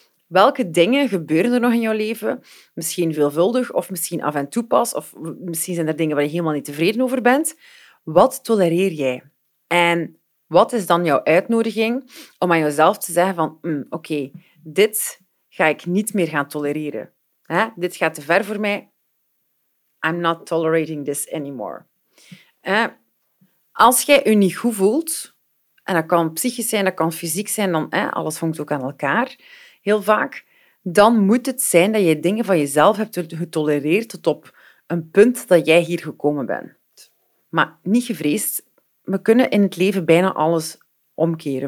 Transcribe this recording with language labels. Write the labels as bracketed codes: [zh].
[nl] Welke dingen gebeuren er nog in jouw leven? Misschien veelvuldig, of misschien af en toe pas, of misschien zijn er dingen waar je helemaal niet tevreden over bent. Wat tolereer jij? En wat is dan jouw uitnodiging om aan jezelf te zeggen van oké, dit ga ik niet meer gaan tolereren. Hè? Dit gaat te ver voor mij. [en] I'm not tolerating this anymore. [nl] Als jij je niet goed voelt, en dat kan psychisch zijn, dat kan fysiek zijn, dan alles hangt ook aan elkaar, heel vaak, dan moet het zijn dat je dingen van jezelf hebt getolereerd tot op een punt dat jij hier gekomen bent. Maar niet gevreesd, we kunnen in het leven bijna alles omkeren.